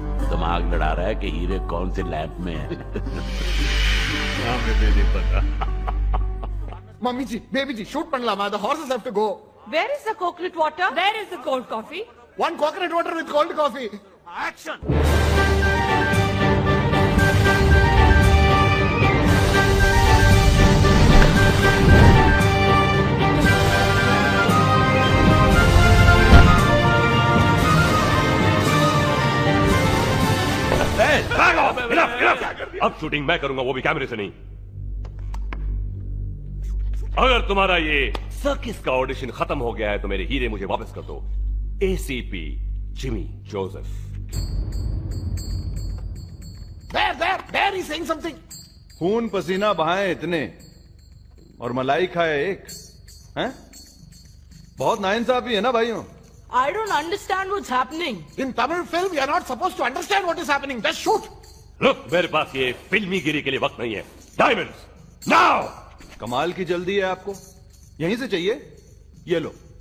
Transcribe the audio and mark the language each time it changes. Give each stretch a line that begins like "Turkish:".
Hindi: दिमाग लड़ा रहा है कि हीरे कौन से लैब में है? नहीं पता। मम्मी जी, बेबी जी, शूट पढ़ ला,
English: My the horses have to go. Where is the coconut water? Where is the cold coffee? One coconut water with cold coffee. Action! Hey, back off! Enough, enough!
Hindi: अब shooting मैं करूंगा, वो भी कैमरे से नहीं। अगर तुम्हारा ये सर्किस का ऑडिशन खत्म हो गया है तो मेरे हीरे मुझे वापस कर दो। ACP Jimmy Joseph.
English: There, he's saying something.
Hindi: खून पसीना बहाए इतने और मलाई खाए एक, हैं? बहुत नाइंसाफी है ना भाइयों?
English: I don't understand what's happening. In Tamil film, you are not supposed to understand what is happening. Just shoot. Look,
Hindi: मेरे पास ये फिल्मी गिरी के लिए वक्त नहीं है।
English: Diamonds, now!
Hindi: कमाल की जल्दी है आपको, यहीं से चाहिए, ये लो।